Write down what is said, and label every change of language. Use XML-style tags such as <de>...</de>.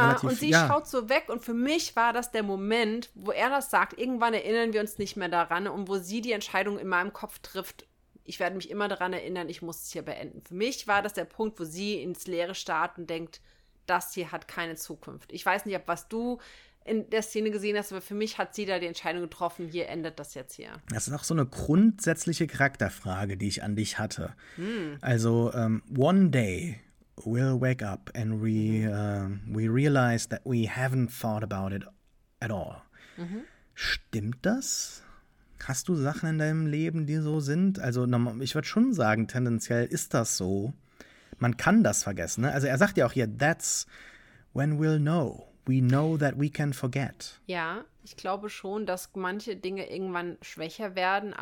<de>Sie schaut so weg und für mich war das der Moment, wo er das sagt, irgendwann erinnern wir uns nicht mehr daran und wo sie die Entscheidung in meinem Kopf trifft, ich werde mich immer daran erinnern, ich muss es hier beenden. Für mich war das der Punkt, wo sie ins Leere starrt und denkt, das hier hat keine Zukunft. Ich weiß nicht, ob was du in der Szene gesehen hast, aber für mich hat sie da die Entscheidung getroffen, hier endet das jetzt hier. Das ist auch so eine grundsätzliche Charakterfrage, die ich an dich hatte. Hm.</de> <en>Also, one day we'll wake up and we realize that we haven't thought about it at all. Mhm.</en> <de>Stimmt das? Hast du Sachen in deinem Leben, die so sind? Also ich würde schon sagen, tendenziell ist das so. Man kann das vergessen. Ne? Also er sagt ja auch hier,</de> <en>that's when we'll know. We know that we can forget.</en> <de>Ja, ich glaube schon, dass manche Dinge irgendwann schwächer werden.</de>